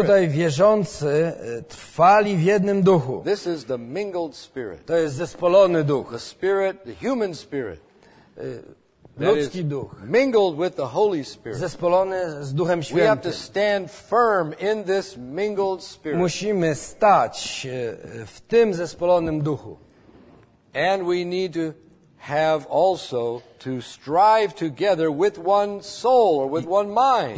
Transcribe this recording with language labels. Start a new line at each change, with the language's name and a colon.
Polish: Tutaj wierzący trwali w jednym duchu.
English: This is the mingled spirit.
Polish: To jest zespolony duch.
English: The spirit, the human spirit.
Polish: Ludzki duch.
English: Mingled with the Holy Spirit.
Polish: Zespolony z Duchem Świętym.
English: We have to stand firm in this mingled spirit.
Polish: Musimy stać w tym zespolonym duchu.
English: And we need to have also to strive together with one soul or with one mind.